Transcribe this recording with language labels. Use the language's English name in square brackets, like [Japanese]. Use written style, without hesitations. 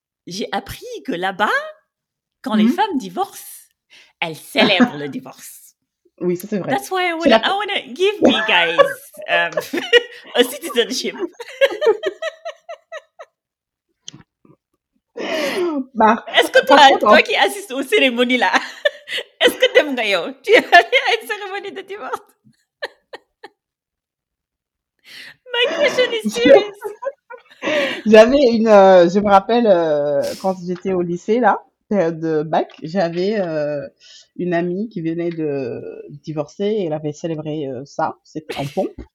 [French] j'ai appris que là-bas, quand les femmes divorcent, elles célèbrent le divorce. Oui, ça c'est vrai. [English] That's why I want to give me guys a citizenship. [French] Bah, est-ce que toi qui assistes aux cérémonies là, est-ce que t'aimes Gayo? Tu es allé à une cérémonie de divorce? [English] My question is serious. [French] J'avais une. Je me rappelle quand j'étais au lycée là. De bac, j'avais une amie qui venait de divorcer et elle avait célébré ça, c'était en pompe.